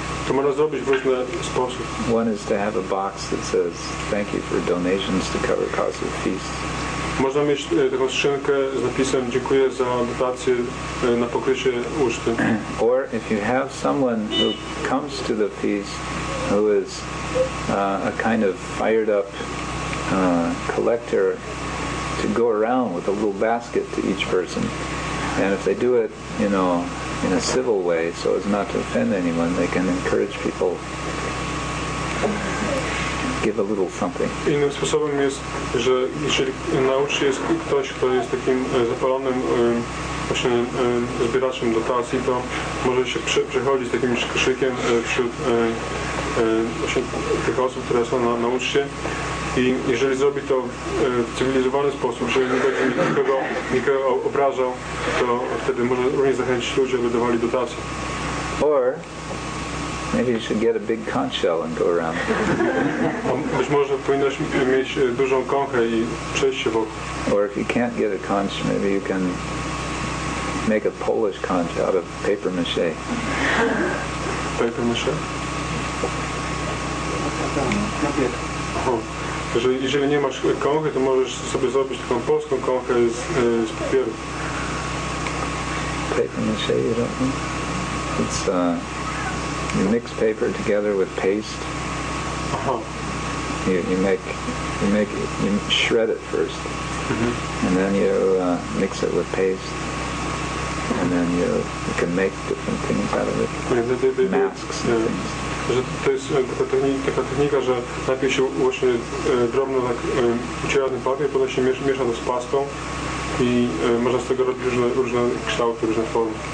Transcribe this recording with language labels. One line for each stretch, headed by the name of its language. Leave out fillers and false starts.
Polish: To można zrobić w różny sposób.
English: One is to have a box that says thank you for donations to cover cost of feast.
Polish: Można mieć taką skrzynkę z napisem dziękuję za dotację na pokrycie uczty.
English: Or if you have someone who comes to the feast who is a kind of fired up collector to go around with a little basket to each person, and if they do it, you know, in a civil way so as not to offend anyone, they can encourage people. Give a little something.
Polish: Innym sposobem jest, że jeżeli na uczcie jest ktoś, kto jest takim zapalonym właśnie zbieraczem dotacji, to może się przechodzić takim krzykiem wśród właśnie tych osób, które są na uczcie. I jeżeli zrobi to w cywilizowany sposób, że nie będzie nikogo obrażał, to wtedy może również zachęcić ludzi, aby dawali dotacje.
English: Or Maybe you should get a big conch shell and go around.
Polish: Być może powinnaś mieć dużą konchę I przejść się wokół.
English: Or if you can't get a conch, maybe you can make a Polish conch out of paper mache. Paper mache?
Polish: Jeżeli nie masz konchy, to możesz sobie zrobić taką polską konchę z papieru.
English: Paper mache, you don't know? It's you mix paper together with paste. Uh-huh. You shred it first, mm-hmm. and then you mix it with paste, and then you can make different things out of it. Masks and things.
Polish: Że to jest taka technika, że najpierw się właśnie drobno tak uciera ten papier, potem się miesza to z pastą I można z tego robić różne kształty, różne formy.